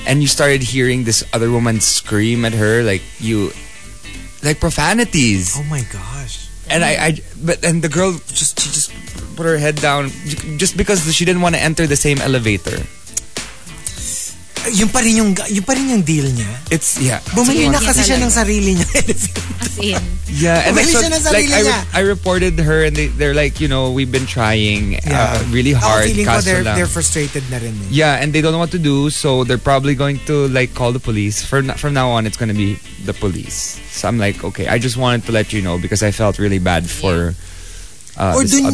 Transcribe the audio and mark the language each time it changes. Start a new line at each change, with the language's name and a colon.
English: And you started hearing this other woman scream at her like you... Like profanities. Oh, my gosh. And I the girl just put her head down just because she didn't want to enter the same elevator.
Filipino: Yung pa rin yung deal niya.
English: It's, yeah.
Filipino: Bumili na kasi siya ng sarili niya.
English: Yeah.
Filipino: And bumili siya ng sarili niya.
English: I reported her and they're like, you know, we've been trying really hard. Feeling
Filipino: ko
English: they're frustrated
Filipino: na rin. Eh.
English: Yeah, and they don't know what to do, so they're probably going to like call the police. From now on, it's gonna be the police. So I'm like, okay, I just wanted to let you know because I felt really bad for this other girl.